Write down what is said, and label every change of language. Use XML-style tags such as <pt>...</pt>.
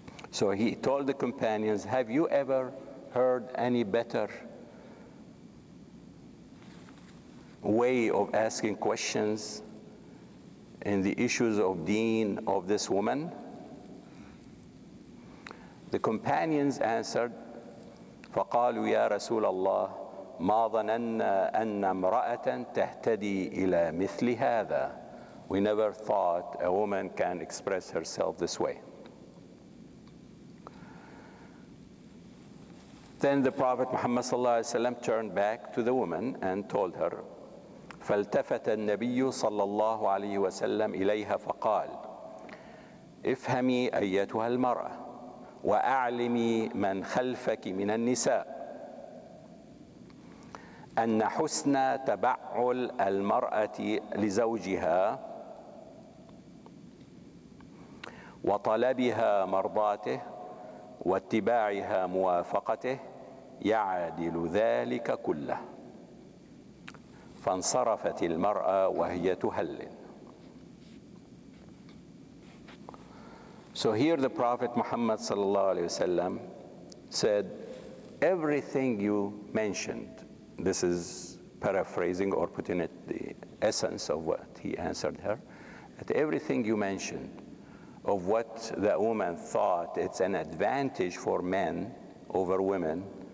<en>So he told the companions, have you ever heard any better way of asking questions in the issues of deen of this woman? The companions answered,</en> <ar>فقالوا يا رسول الله ما ظننا أن امرأة تهتدي إلى مثل هذا.</ar> <en>We never thought a woman can express herself this way. Then the Prophet Muhammad صلى الله عليه وسلم turned back to the woman and told her,</en> <ar>فالتفت النبي صلى الله عليه وسلم إليها فقال افهمي أيتها المرأة وأعلمي من خلفك من النساء أن حسن تبعل المرأة لزوجها وطلبها مرضاته واتباعها موافقته يعادل ذلك كله فانصرفت المرأة وهي تهلل.</ar> <en>So here the Prophet Muhammad sallallahu alaihi wasallam said, everything you mentioned, this is paraphrasing or putting it the essence of what he answered her, that everything you mentioned of what the woman thought it's an advantage for men over women</en>